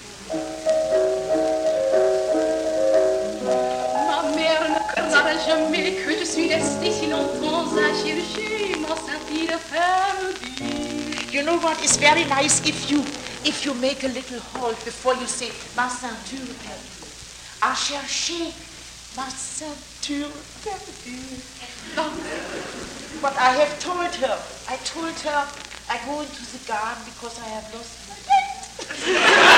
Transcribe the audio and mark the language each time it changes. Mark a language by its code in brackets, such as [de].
[fr] Ma mère ne croira jamais que je suis restée si longtemps à chercher ma sainte perdue. [en] You know what? It's very nice if you make a little halt before you say [fr] ma ceinture perdue. À chercher ma ceinture perdue. [en] But I have told her. I told her I go into the garden because I have lost my head.